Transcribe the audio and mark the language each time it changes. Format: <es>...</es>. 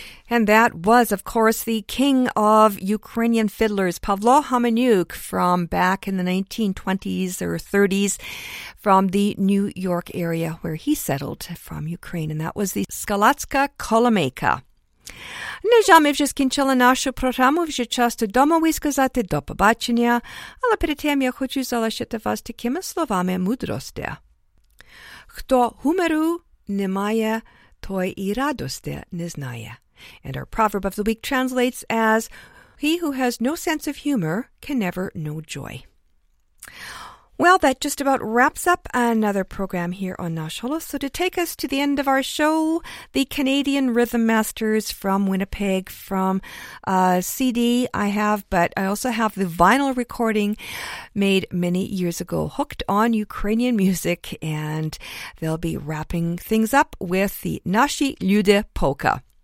<en>And that was, of course, the king of Ukrainian fiddlers, Pavlo Hamaniuk, from back in the 1920s or 30s, from the New York area where he settled from Ukraine. And that was the Skalatska Kolomeika.</en> <uk>Ну, вже ми вже скінчили нашу програму, вже час додому ви сказати до побачення. Але перед тим я хочу залишити вас такими словами мудрості. Хто гумору не має, той і радості не знає.</uk> <en>And our proverb of the week translates as, he who has no sense of humor can never know joy. Well, that just about wraps up another program here on Nash Holo. So to take us to the end of our show, the Canadian Rhythm Masters from Winnipeg, from a CD I have, but I also have the vinyl recording made many years ago, Hooked on Ukrainian Music, and they'll be wrapping things up with the Nashi Lyude Polka.</en>